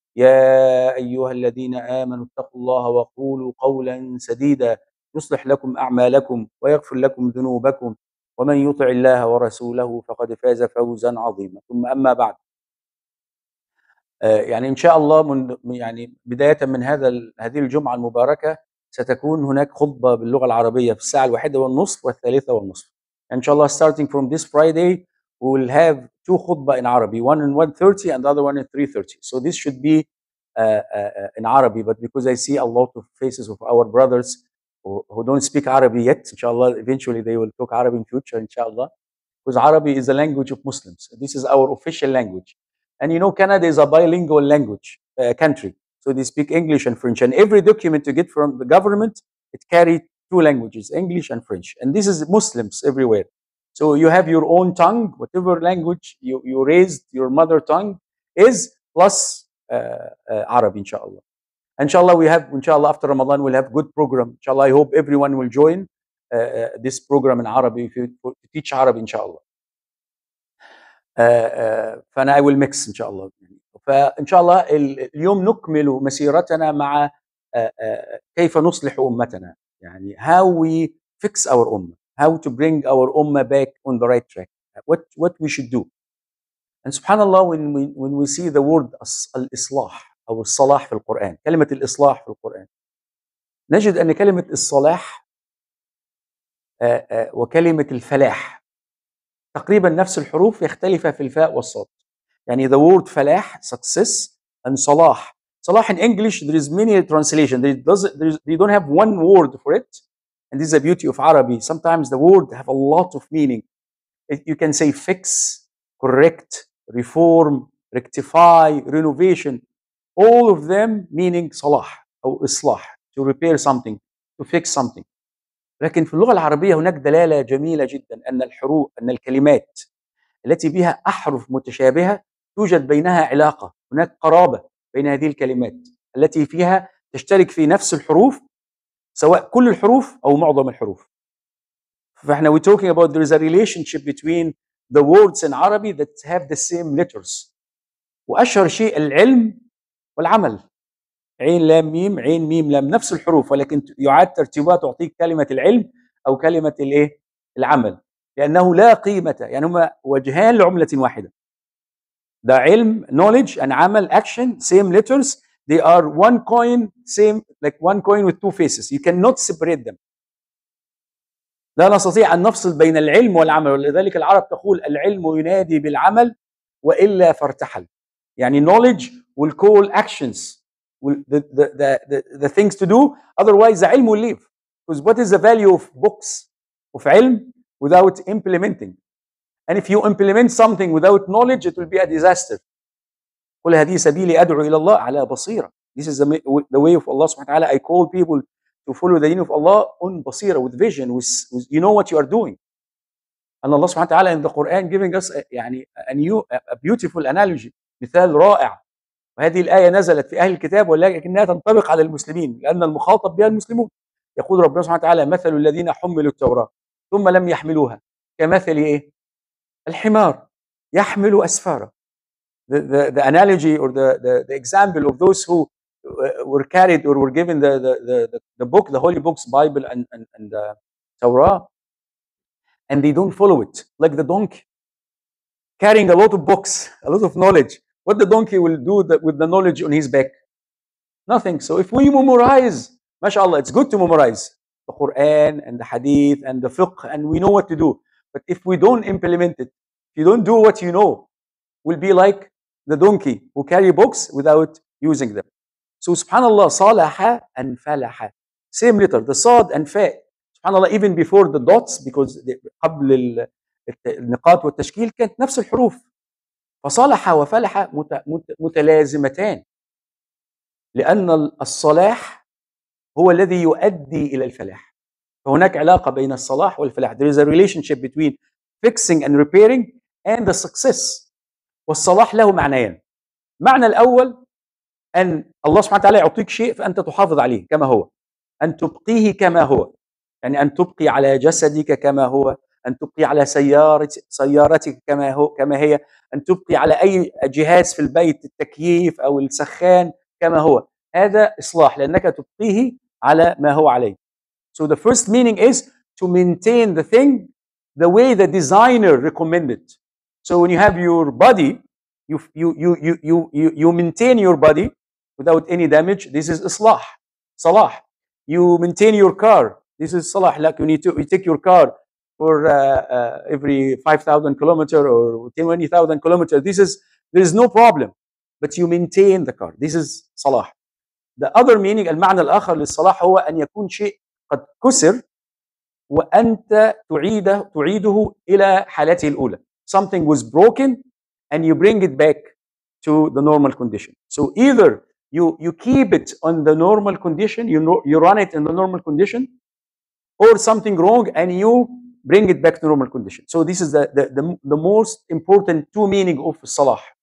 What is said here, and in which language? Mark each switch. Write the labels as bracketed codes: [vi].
[ar] يا أيها الذين آمنوا اتقوا الله وقولوا قولا سديدا يصلح لكم أعمالكم ويغفر لكم ذنوبكم، ومن يطع الله ورسوله فقد فاز فوزا عظيما. ثم أما بعد، يعني إن شاء الله يعني بداية من هذه الجمعة المباركة ستكون هناك خطبة باللغة العربية في الساعة 1:30 والثالثة والنصف. إن شاء الله [en] starting from this Friday we will have two khutbah in Arabic, one in 1:30 and the other one in 3:30. So this should be in Arabic, but because I see a lot of faces of our brothers who don't speak Arabic yet, inshallah eventually they will talk Arabic in future, inshallah, because Arabic is the language of Muslims. This is our official language. And you know, Canada is a bilingual language country. So they speak English and French, and every document you get from the government, it carries two languages, English and French. And this is Muslims everywhere. So you have your own tongue, whatever language you raised, your mother tongue is plus Arab, inshallah. Inshallah, inshallah, after Ramadan, we'll have good program. Inshallah, I hope everyone will join this program in Arabic, if you teach Arabic, inshallah. [ar] فأنا [en] I will mix, inshallah. [ar] فإنشاءالله اليوم نكمل مسيرتنا مع كيف نصلح أمتنا. [en] يعني how we fix our ummah, how to bring our ummah back on the right track, what we should do. And subhanallah, when we see the word al-islah or salah [ar] في القرآن, كلمة الإصلاح في القرآن, نجد أن كلمة الصلاح وكلمة الفلاح تقريبا نفس الحروف, يختلف في الفاء والصاد. [en] يعني the word فلاح success and صلاح. صلاح in English, there is many translation. They don't have one word for it. And this is the beauty of Arabic. Sometimes the word have a lot of meaning. You can say fix, correct, reform, rectify, renovation. All of them meaning صلاح أو إصلاح. To repair something, to fix something. [ar] لكن في اللغة العربية هناك دلالة جميلة جدا أن الحروف, أن الكلمات التي بها أحرف متشابهة توجد بينها علاقة. هناك قرابة بين هذه الكلمات التي فيها تشترك في نفس الحروف, سواء كل الحروف أو معظم الحروف. [en] فإحنا we're talking about there is a relationship between the words in Arabic that have the same letters. [ar] وأشهر شيء العلم والعمل. عين لام ميم, عين ميم لام, نفس الحروف ولكن يعاد ترتيبها تعطيك كلمة العلم أو كلمة الإيه؟ العمل. لأنه لا قيمة, يعني هما وجهان لعملة واحدة. [en] The ilm, knowledge, and amal, action, same letters, they are one coin, same, like one coin with two faces. You cannot separate them. [ar] لا نستطيع أن نفصل بين العلم والعمل. ولذلك العرب تقول العلم ينادي بالعمل والا فارتحل. [en] يعني knowledge will call actions, will the things to do, otherwise علم will leave. Because what is the value of books, of علم, without implementing? And if you implement something without knowledge, it will be a disaster. [ar] قل هذه سبيلي أدعو إلى الله على بصيرة. [en] This is the way of Allah سبحانه وتعالى. I call people to follow the deen of Allah on بصيرة, with vision, with you know what you are doing. And Allah سبحانه وتعالى in the Quran giving us a beautiful analogy, [ar] مثال رائع. وهذه الآية نزلت في أهل الكتاب ولكنها تنطبق على المسلمين لأن المخاطب بها المسلمون. يقول ربنا سبحانه وتعالى مثل الذين حملوا التوراة ثم لم يحملوها كمثل إيه؟ الحمار يحمل أسفارا. [en] The analogy or the example of those who were carried or were given the book, the holy books, Bible and the Torah, and they don't follow it, like the donkey carrying a lot of books, a lot of knowledge. What the donkey will do with the knowledge on his back? Nothing. So if we memorize, mashallah, it's good to memorize the Quran and the Hadith and the Fiqh, and we know what to do. But if we don't implement it, if you don't do what you know, we'll be like the donkey who carry books without using them. So subhanallah, salaha and falaha. Same letter, the sad and fa. Subhanallah, even before the dots, because [ar] قبل النقاط والتشكيل كانت نفس الحروف. فصالح وفلح متلازمتان لأن الصلاح هو الذي يؤدي إلى الفلاح. فهناك علاقة بين الصلاح والفلاح. [en] There is a relationship between fixing and repairing and the success. [ar] والصلاح له معنيان. معنى الأول أن الله سبحانه وتعالى يعطيك شيء فأنت تحافظ عليه كما هو. أن تبقيه كما هو. يعني أن تبقي على جسدك كما هو. أن تبقي على سيارتك كما هي. أن تبقي على أي جهاز في البيت التكييف أو السخان كما هو. هذا إصلاح لأنك تبقيه على ما هو عليه. [en] So the first meaning is to maintain the thing the way the designer recommended. So when you have your body, you maintain your body without any damage. This is إصلاح. صلاح. You maintain your car. This is صلاح. Like you take your car for every 5,000 kilometer or 20,000 kilometer, there is no problem, but you maintain the car. This is صلاح. The other meaning, [ar] المعنى الآخر للصلاح هو أن يكون شيء قد كسر وأنت تعيده إلى حالته الأولى. [en] Something was broken and you bring it back to the normal condition. So either you keep it on the normal condition, you run it in the normal condition, or something wrong and you bring it back to normal condition. So this is the most important two meaning of salah.